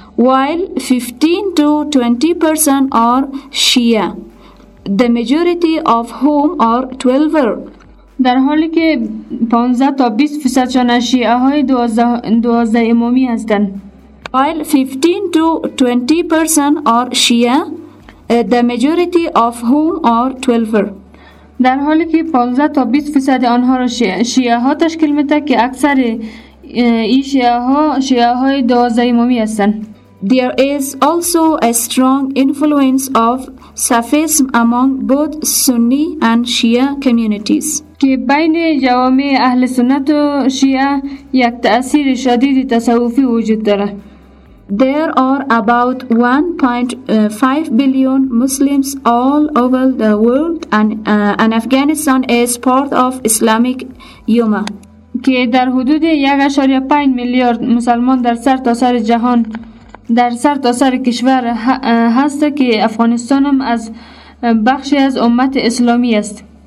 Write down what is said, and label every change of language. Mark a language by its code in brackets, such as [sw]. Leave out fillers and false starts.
[en] While 15 to 20% are Shia, the majority of whom are 12er. [fa] در حالی که 15 تا 20% شان شیعه های 12 امامی هستند. [en] While 15 to 20% are Shia, the majority of whom are 12er. [fa] در حالی که 15 تا 20% آنها را شیعه ها تشکیل می‌ده که اکثر این شیعه ها شیعه های 12 امامی هستند. [en] There is also a strong influence of Sufism among both Sunni and Shia communities. [fa] که بین جوامع اهل سنت و شیعه یک تأثیر شدید تصوفی وجود داره. [en] There are about 1.5 billion Muslims all over the world, and Afghanistan is part of Islamic Ummah. [fa] که در حدود 1.5 میلیارد مسلمان در سرتاسر جهان در سرتاسر کشور هست که افغانستان هم از بخشی از امت اسلامی است.